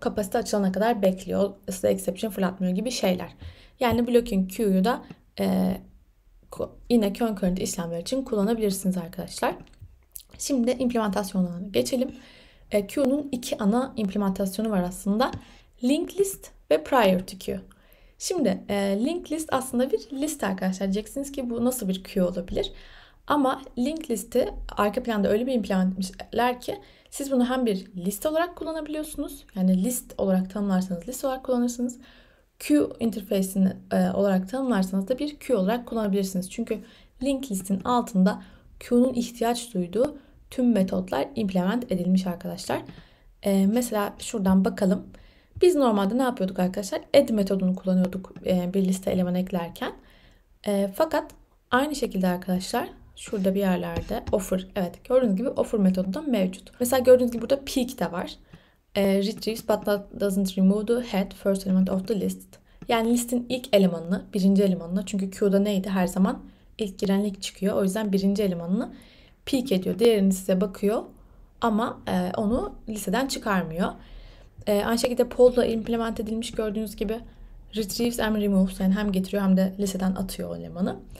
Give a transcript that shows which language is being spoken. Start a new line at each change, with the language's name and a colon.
Turkish: Kapasite açılana kadar bekliyor. Size exception fırlatmıyor gibi şeyler. Yani blocking Q'yu da yine concurrent işlemler için kullanabilirsiniz arkadaşlar. Şimdi implementasyonlarına geçelim. Q'nun iki ana implementasyonu var aslında. Linked list ve prior to queue. Şimdi linked list aslında bir liste arkadaşlar. Diyeceksiniz ki bu nasıl bir queue olabilir? Ama linked listi arka planda öyle bir implement etmişler ki siz bunu hem bir liste olarak kullanabiliyorsunuz. Yani list olarak tanımlarsanız list olarak kullanırsınız. Queue interface'ini olarak tanımlarsanız da bir queue olarak kullanabilirsiniz. Çünkü linked listin altında queue'nun ihtiyaç duyduğu tüm metotlar implement edilmiş arkadaşlar. Mesela şuradan bakalım. Biz normalde ne yapıyorduk arkadaşlar? Add metodunu kullanıyorduk bir liste eleman eklerken. Fakat aynı şekilde arkadaşlar şurada bir yerlerde offer. Evet gördüğünüz gibi offer metodu da mevcut. Mesela gördüğünüz gibi burada peak de var.
English: Retrieves but not, doesn't remove the head first element of the list.
Turkish: Yani listin ilk elemanını, birinci elemanını. Çünkü queue'da neydi? Her zaman ilk giren ilk çıkıyor. O yüzden birinci elemanını peak ediyor. Diğerini size bakıyor ama onu listeden çıkarmıyor. Aynı şekilde poll'la implement edilmiş gördüğünüz gibi
English: retrieves and removes
Turkish: yani hem getiriyor hem de listeden atıyor elemanı.